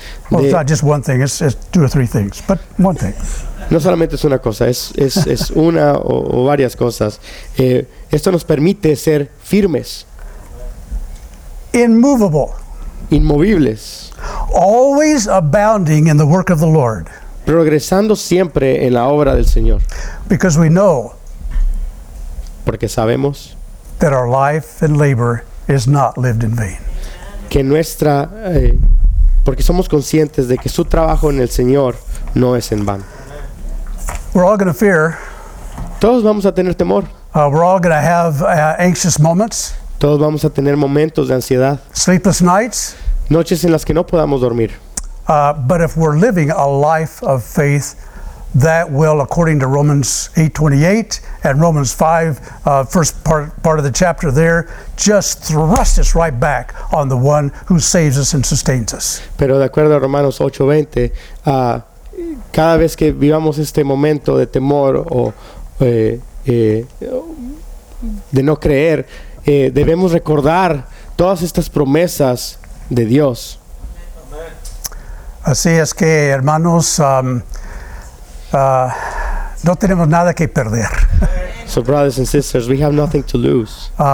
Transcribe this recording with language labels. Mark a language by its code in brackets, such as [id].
[en] Well, it's not just one thing, it's two or three things, but one thing. [es] No solamente es una cosa, es una o varias cosas. Esto nos permite ser firmes. [en] Inmovable. [es] Inmovibles. [en] Always abounding in the work of the Lord. [es] Progresando siempre en la obra del Señor. [en] Because we know. [es] Porque sabemos. [en] That our life and labor is not lived in vain. [es] Que nuestra porque somos conscientes de que su trabajo en el Señor no es en vano. [en] We're all going to fear. [es] Todos vamos a tener temor. [en] We're all going to have anxious moments. [es] Todos vamos a tener momentos de ansiedad. [en] Sleepless nights. [es] Noches en las que no podamos dormir. [en] But if we're living a life of faith, that will, according to Romans 8:28 and Romans 5, first part of the chapter there, just thrust us right back on the one who saves us and sustains us. [es] Pero de acuerdo a Romanos 8:20, cada vez que vivamos este momento de temor o de no creer, debemos recordar todas estas promesas de Dios. Así es que, hermanos, no tenemos nada que perder. [en] So, brothers and sisters, we have nothing to lose.